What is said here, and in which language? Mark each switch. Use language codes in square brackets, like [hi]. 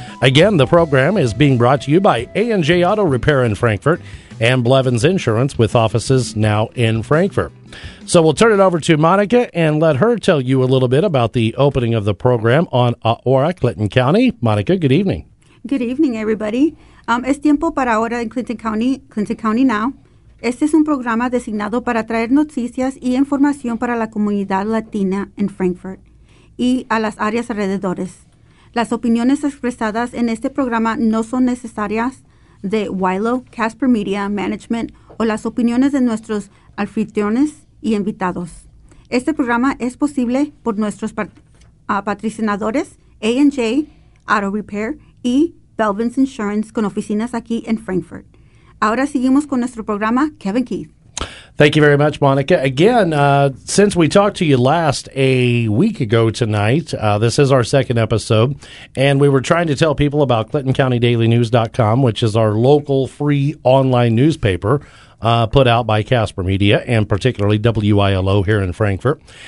[en] Again, the program is being brought to you by A&J Auto Repair in Frankfort and Blevins Insurance with offices now in Frankfort. So we'll turn it over to Monica and let her tell you a little bit about the opening of the program on Aurora, Clinton County. Monica, good evening. Good evening, everybody. [es] Es tiempo para ahora en Clinton County Now. Este es un programa designado para traer noticias y información para la comunidad latina en Frankfort y a las áreas alrededores. Las opiniones expresadas en este programa no son necesarias de WILO, Casper Media, Management, o las opiniones de nuestros anfitriones y invitados. Este programa es posible por nuestros patrocinadores A&J Auto Repair y Belvin's Insurance con oficinas aquí en Frankfort. Ahora seguimos con nuestro programa, Kevin Keith. [en] Thank you very much, Monica. Again, since we talked to you last a week ago tonight, this is our second episode, and we were trying to tell people about ClintonCountyDailyNews.com, which is our local free online newspaper put out by Casper Media and particularly WILO here in Frankfort.